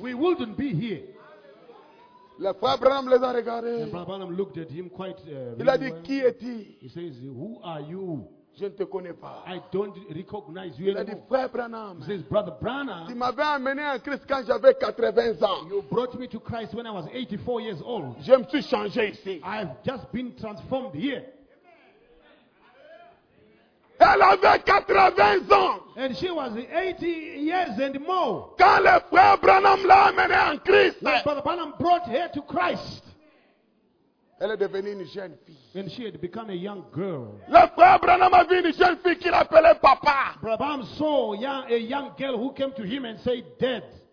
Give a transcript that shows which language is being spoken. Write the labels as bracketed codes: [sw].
[en] We wouldn't be here. [fr] Le frère Branham les a regardés. [en] Brother Branham looked at him quite. [fr] Il a dit, qui est-il? [en] He says, who are you? [fr] Je ne te connais pas. [en] I don't recognize you. [fr] Il a dit, frère Branham. [en] He says, brother Branham. [fr] Tu m'avais amené à Christ quand j'avais 80 ans. [en] You brought me to Christ when I was 84 years old. [fr] Je me suis changé ici. [en] I've just been transformed here. [fr] Elle avait 80 ans. [en] And she was 80 years and more. [fr] Quand le frère Branham l'a amené en Christ. [en] When Brother Branham brought her to Christ. [fr] Elle est devenue une jeune fille. [en] And she had become a young girl. [fr] Le frère Branham a vu une jeune fille qu'il appelait papa. [en] Brother Branham saw a young girl who came to him and said, Dad.